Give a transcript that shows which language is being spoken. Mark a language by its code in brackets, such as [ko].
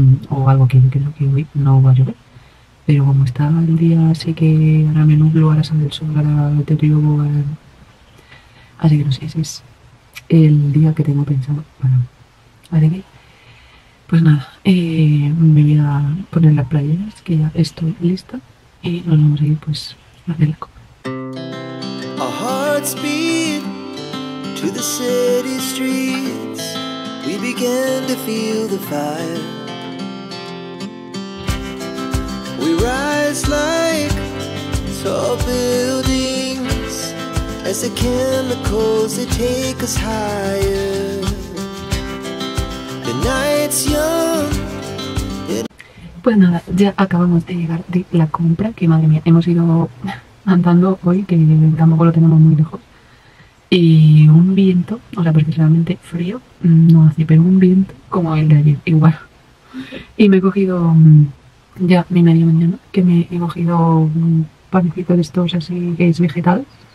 [es] O algo que creo que hoy no va a llover. Pero como está el día, así que ahora me nublo, ahora sale el sol, ahora te río, así que no sé, ese es el día que tengo pensado para hoy. Así que, pues nada, me voy a poner las playeras, que ya estoy lista, y nos vamos a ir pues a hacer la compra. [en] Our hearts beat to the city streets. We begin to feel the fire. We rise like tall buildings as the chemicals they take us higher. The night's young. [es] Pues nada, ya acabamos de llegar de la compra, que madre mía, hemos ido andando hoy, que tampoco lo tenemos muy lejos. Y un viento, o sea, porque realmente frío no hace, pero un viento como el de ayer, igual. Y me he cogido ya mi media mañana, que me he cogido un panecito de estos así que es vegetal.